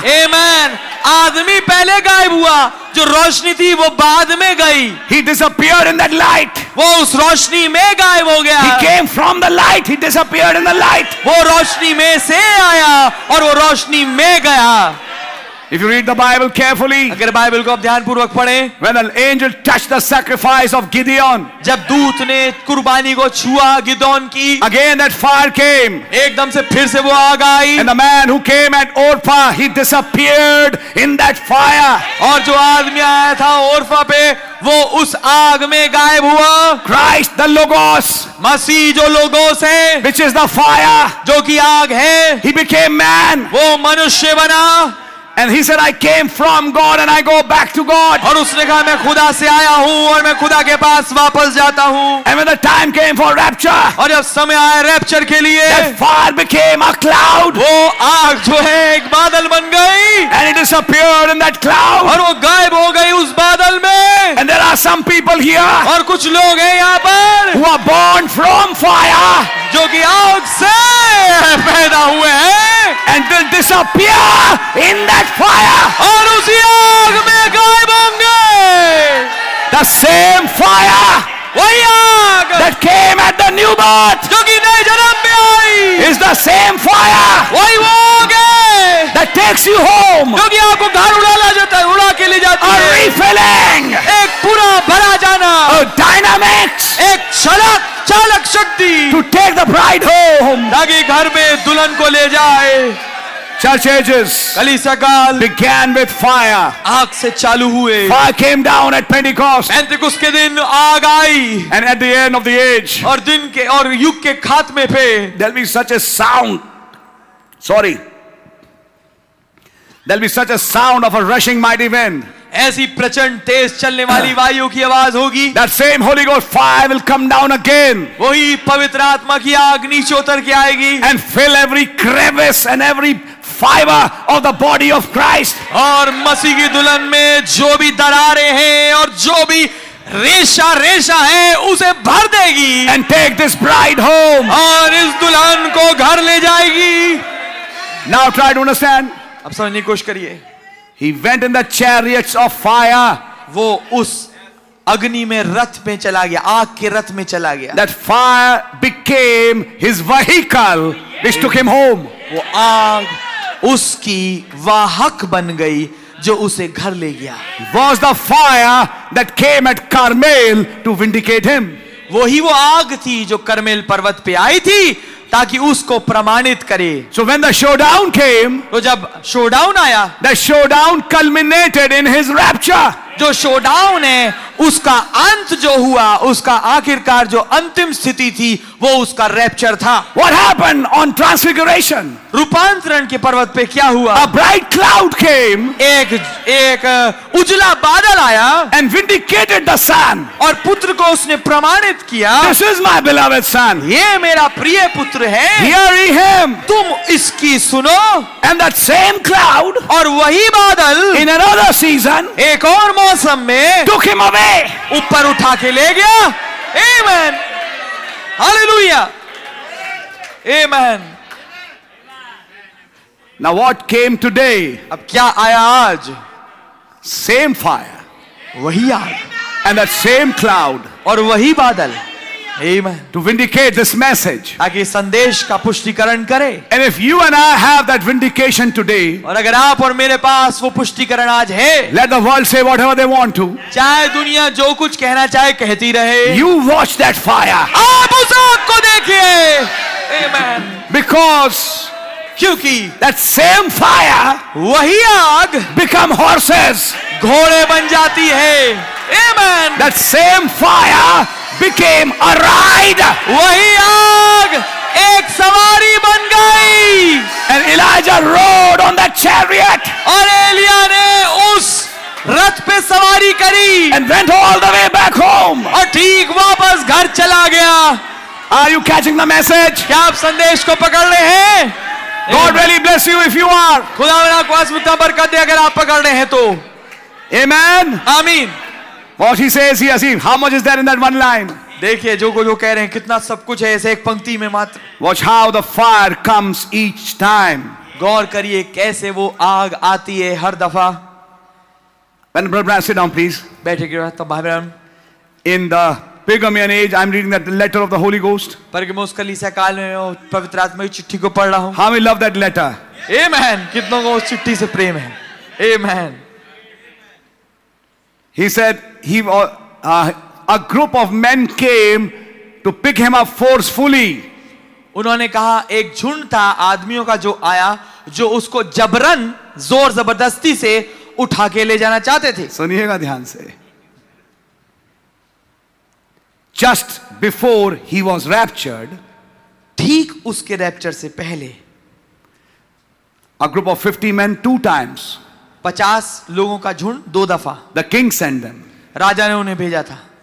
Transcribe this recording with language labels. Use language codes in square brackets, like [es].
[en] Amen. [hi] आदमी पहले गायब हुआ, जो रोशनी थी वो बाद में गई. [en] He disappeared in that light. [hi] वो उस रोशनी में गायब हो गया. [en] He came from the light, he disappeared in the light. [hi] वो रोशनी में से आया और वो रोशनी में गया. [en] If you read the Bible carefully, [hi] अगर बाइबल को आप ध्यानपूर्वक पढ़ें, [en] when an angel touched the sacrifice of Gideon, [hi] जब दूत ने कुर्बानी को छुआ गिदोन की, [en] again that fire came, [hi] एकदम से फिर से वो आग आई, [en] and the man who came at Orpah, he disappeared in that fire, [hi] और जो आदमी आया था ओरफा पे वो उस आग में गायब हुआ. [en] Christ the Logos, [hi] मसीह जो लोगोस है, [en] which is the fire, [hi] जो कि आग है, [en] he became man, [hi] वो मनुष्य बना. [en] And he said, I came from God and I go back to God. [hi] और उसने कहा मैं खुदा से आया हूँ और मैं खुदा के पास वापस जाता हूँ. [en] And when the time came for rapture, [hi] और जब समय आया रैप्चर के लिए, [en] that fire became a cloud. [hi] वो आग जो है एक बादल बन गई. [en] And it disappeared in that cloud. [hi] और वो गायब हो गई उस बादल में. [en] And there are some people here, [hi] और कुछ लोग हैं यहाँ पर, [en] who are born from fire, [hi] जो कि आग से पैदा हुए हैं. [en] And they'll disappear in that fire. [hi] और उसी आग में गायब होंगे. [en] The same fire, [hi] वही आग, [en] that came at the new birth, [hi] जो कि नए जन्म में आई, [en] is the same fire, [hi] वही वो आग है, [en] that takes you home, [hi] जो कि आपको घर उड़ाला जाता है, उड़ा के ले जाती है. [en] A refilling, [hi] एक पूरा भरा जाना. [en] A dynamics, [hi] एक चलक चालक शक्ति, [en] to take the bride home, [hi] ताकि घर में दुल्हन को ले जाए. [en] Church ages, [hi] कलीसिया काल, [en] began with fire, [hi] आग से चालू हुए. [en] Fire came down at Pentecost, [hi] Pentecost के दिन आग आई. [en] And at the end of the age, [hi] और दिन के और युग के खात्मे पे, [en] there'll be such a sound. Sorry, there'll be such a sound of a rushing mighty wind. [hi] ऐसी प्रचंड तेज चलने वाली वायु की आवाज होगी. [en] That same Holy Ghost fire will come down again. [hi] वही पवित्र आत्मा की आग नीचे उतर के आएगी. [en] And fill every crevice and every fiber of the body of Christ. [hi] और मसीह की दुल्हन में जो भी दरारें हैं और जो भी रेशा रेशा है उसे भर देगी. [en] And take this bride home. [hi] और इस दुल्हन को घर ले जाएगी. [en] Now try to understand. [hi] अब समझने की कोशिश करिए. [en] He went in the chariots of fire. [hi] वो उस अग्नि में रथ में चला गया, आग के रथ में चला गया. [en] That fire became his vehicle, which took him home. [hi] वो आग उसकी वाहक बन गई जो उसे घर ले गया. [en] Was the fire that came at Carmel to vindicate him. [hi] वही वो आग थी जो कर्मेल पर्वत पे आई थी ताकि उसको प्रमाणित करे. [en] So when the showdown came, [hi] तो जब showdown आया, [en] the showdown culminated in his rapture. [hi] जो showdown है, उसका अंत जो हुआ, उसका आखिरकार जो अंतिम स्थिति थी, वो उसका rapture था. [en] What happened on transfiguration? [hi] रूपांतरण के पर्वत पे क्या हुआ? [en] A bright cloud came, [hi] एक एक उजला बादल आया, [en] and vindicated the son, [hi] और पुत्र को उसने प्रमाणित किया. [en] This is my beloved son, [hi] ये मेरा प्रिय पुत्र है. [en] Hearing him, [hi] तुम इसकी सुनो. [en] And that same cloud, [hi] और वही बादल, [en] in another season, [hi] एक और मौसम में, [en] took him away, [hi] ऊपर उठा के ले गया. Amen, hallelujah, amen. [en] Now what came today? [hi] अब क्या आया आज? [en] Same fire, [hi] वही आग, [en] and that same cloud, [hi] और वही बादल. Amen. [en] To vindicate this message, [hi] ताकि संदेश का पुष्टिकरण करे. [en] And if you and I have that vindication today, [hi] और अगर आप और मेरे पास वो पुष्टिकरण आज है, [en] let the world say whatever they want to, [hi] चाहे दुनिया जो कुछ कहना चाहे कहती रहे, [en] you watch that fire, [hi] आप उस आग को देखिए. Amen. [en] Because, [hi] क्योंकि, [en] that same fire, [hi] वही आग, [en] become horses, [hi] घोड़े बन जाती है. Amen. [en] That same fire became a ride, [hi] वही आग एक सवारी बन गई. [en] And Elijah rode on that chariot, [hi] और एलिया ने उस रथ पे सवारी करी. [en] And went all the way back home, [hi] और ठीक वापस घर चला गया. [en] Are you catching the message? [hi] क्या आप संदेश को पकड़ रहे हैं? [en] God really bless you if you are. [hi] खुदा मेरा आपको आसमान की बरकत दे अगर आप पकड़ रहे हैं तो. [en] Amen. [hi] आमीन. [en] What he says, he has seen. How much is there in that one line? [hi] देखिए जो को जो कह रहे हैं कितना सब कुछ है ऐसे एक पंक्ति में मात्र. [en] Watch how the fire comes each time. [hi] गौर करिए कैसे वो आग आती है हर दफा. [en] When Brother Branham, sit down, please. [hi] बैठे क्यों रहता भाई ब्रह्म. [en] In the Pygmyan age, I'm reading that letter of the Holy Ghost. [hi] पर कि मैं उस कलीसिया काल में पवित्र आत्मा की चिट्ठी को पढ़ रहा हूँ. [en] How we love that letter. [hi] Amen. कितनों को उस चिट्ठी से प्रेम है. [en] Amen. He said he a group of men came to pick him up forcefully. [hi] उन्होंने कहा एक झुंड था आदमियों का जो आया जो उसको जबरन जोर जबरदस्ती से उठा के ले जाना चाहते थे. सुनिएगा ध्यान से. [en] Just before he was raptured, [hi] ठीक उसके रैप्चर से पहले, [en] a group of 50 men two times, [hi] 50 लोगों का झुंड दो दफा, [en] the king sent them, [hi] राजा ने उन्हें भेजा था,